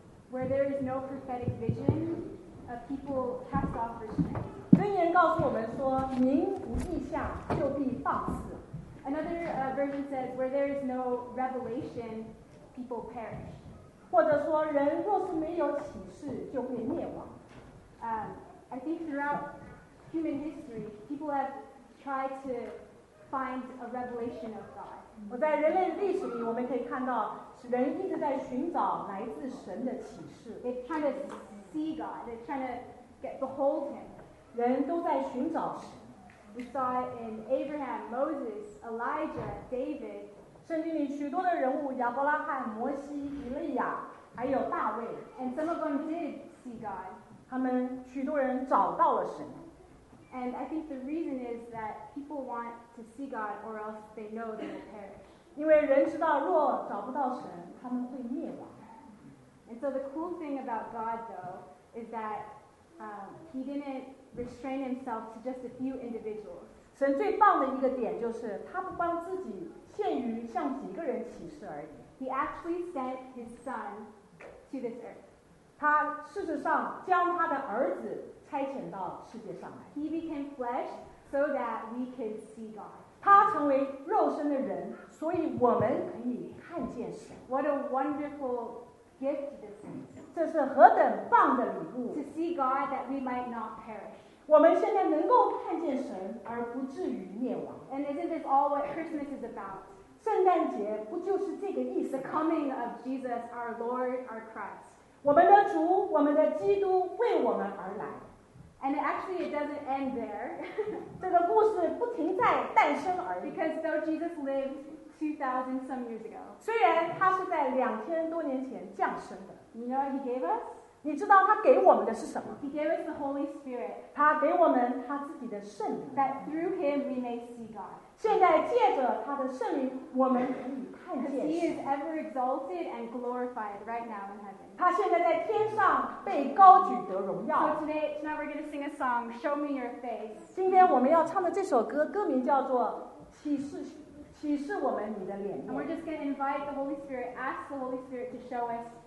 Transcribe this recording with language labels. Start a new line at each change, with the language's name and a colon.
English: where there is no prophetic vision, a people cast off restraint.
Chinese: 箴言告诉我们说，民不异象，就必放肆。
English: Another version says, where there is no revelation, people perish.
Chinese: 或者说，人若是没有启示，就会灭亡。
English: I think throughout human history, people have tried to find a revelation of God.
Chinese: 我在人类历史里，我们可以看到，人一直在寻找来自神的启示。
English: They're trying to see God. They're trying to behold Him.
Chinese: 人都在寻找神。
English: We saw it in Abraham, Moses, Elijah, David.
Chinese: 圣经里许多的人物，亚伯拉罕、摩西、以利亚，还有大卫。
English: And some of them did see God.
Chinese: 他们许多人找到了神。
English: And I think the reason is that people want to see God, or else they know they will perish.
Chinese: 因为人知道，若找不到神，他们会灭亡。
English: And so the cool thing about God, though, is that He didn't. Restrain himself to just a few individuals.
Chinese: 神最棒的一个点就是他不帮自己限于向几个人启示而已。
English: He actually sent his son to this earth.
Chinese: 他事实上将他的儿子差遣到世界上来。
English: He became flesh so that we could see God.
Chinese: 他成为肉身的人，所以我们可以看见神。
English: What a wonderful gift this is.
Chinese: 这是何等棒的礼物
English: ！To see God that we might not perish.
Chinese: 我们现在能够看见神，而不至于灭亡。
English: And isn't this all what Christmas is about?
Chinese: 圣诞节不就是这个意思
English: ？The coming of Jesus, our Lord, our Christ.
Chinese: 我们的主，我们的基督为我们而来。
English: And actually, it doesn't end there.
Chinese: 这个故事不停在诞生而已。
English: Because though Jesus lived 2,000 some years ago,
Chinese: 虽然他是在2000多年前降生的。
English: You know what he gave us?
Chinese: 你知道他给我们的是什么？
English: He gave us the Holy Spirit.
Chinese: 他给我们他自己的圣灵。
English: That through him we may see God.
Chinese: 现在借着他的圣灵，我们可以看见。
English: Because he is ever exalted and glorified right now in heaven.
Chinese: 他现在在天上被高举得荣耀。
English: So today, tonight we're going to sing a song, Show Me Your Face.
Chinese: 今天我们要唱的这首歌，歌名叫做《启示》。启示我们你的脸面。
English: And we're just going to invite the Holy Spirit, ask the Holy Spirit to show us.